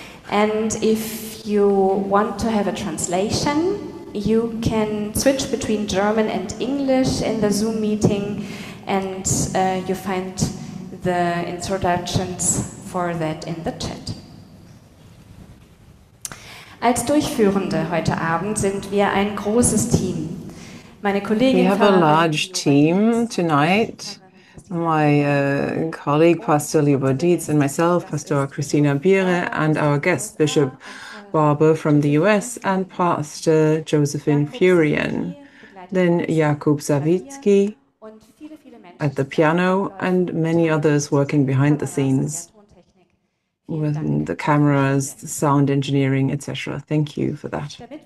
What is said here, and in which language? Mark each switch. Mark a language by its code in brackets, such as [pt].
[en] And if you want to have a translation, you can switch between German and English in the Zoom meeting, and you find the instructions for that in the chat. [de] Als Durchführende heute Abend sind wir ein großes Team. Meine Kollegin [en] We have a large team tonight. My colleague, Pastor Leo Dietz, and myself, Pastor Christina Biere, and our guest, Bishop Barber from the US, and Pastor Josephine Furien. Then Jakub Sawicki at the piano, and many others working behind the scenes with the cameras, the sound engineering, etc. Thank you for that.